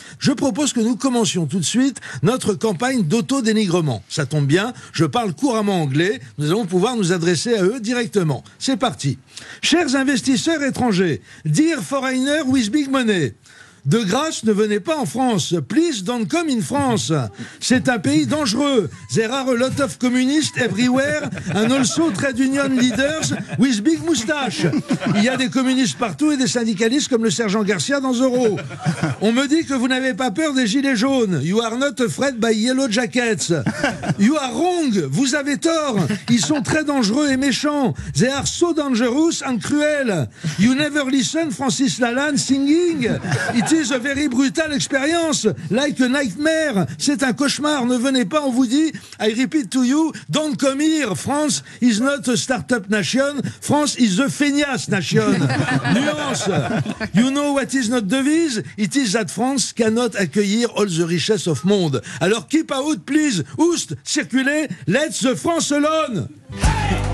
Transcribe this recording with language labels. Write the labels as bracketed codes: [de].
[fr] Je propose que nous commencions tout de suite notre campagne d'auto-dénigrement. Ça tombe bien, je parle couramment anglais, nous allons pouvoir nous adresser à eux directement. C'est parti. Chers investisseurs étrangers, dire [en] foreigner with big money. [fr] De grâce, ne venez pas en France. [en] Please don't come in France. [fr] C'est un pays dangereux. [en] There are a lot of communists everywhere and also trade union leaders with big moustache. [fr] Il y a des communistes partout et des syndicalistes comme le sergent Garcia dans Zorro. On me dit que vous n'avez pas peur des gilets jaunes. [en] You are not afraid by yellow jackets. You are wrong. [fr] Vous avez tort. Ils sont très dangereux et méchants. [en] They are so dangerous and cruel. You never listen Francis Lalanne singing. It is a very brutal experience, like a nightmare. [fr] C'est un cauchemar, ne venez pas, on vous dit. [en] I repeat to you, don't come here. France is not a startup nation. France is a feignasse nation. Nuance. You know what is [fr] notre devise? [en] It is that France cannot accueillir all the richesse of monde. Alors keep out, please. [fr] Oust, circulez, [en] let's the France alone. Hey!